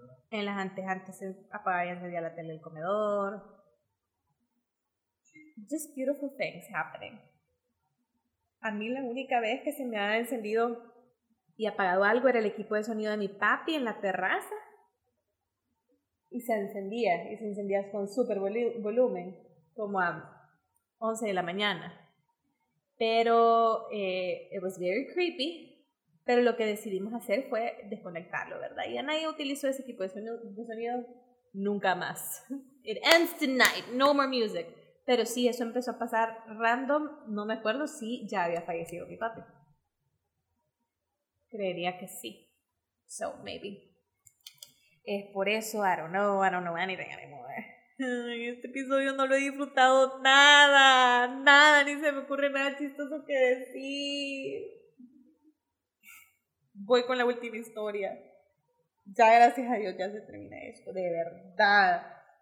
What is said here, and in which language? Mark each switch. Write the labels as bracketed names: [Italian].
[Spanish] En las antes se apagaba y encendía la tele del comedor. [English] Just beautiful things happening. [Spanish] A mí la única vez que se me había encendido y apagado algo era el equipo de sonido de mi papi en la terraza. Y se encendía con super volumen, como a 11 de la mañana. Pero [English] it was very creepy. [Spanish] Pero lo que decidimos hacer fue desconectarlo, ¿verdad? Ya nadie utilizó ese tipo de sonido nunca más. [English] It ends tonight, no more music. [Spanish] Pero sí, eso empezó a pasar random, no me acuerdo si ya había fallecido mi papi. Creería que sí. [English] So, maybe. [Spanish] Es por eso, [English] I don't know anything anymore. [Spanish] Ay, este episodio no lo he disfrutado nada, ni se me ocurre nada chistoso que decir. voy con la última historia. Ya, gracias a Dios, ya se termina esto. De verdad.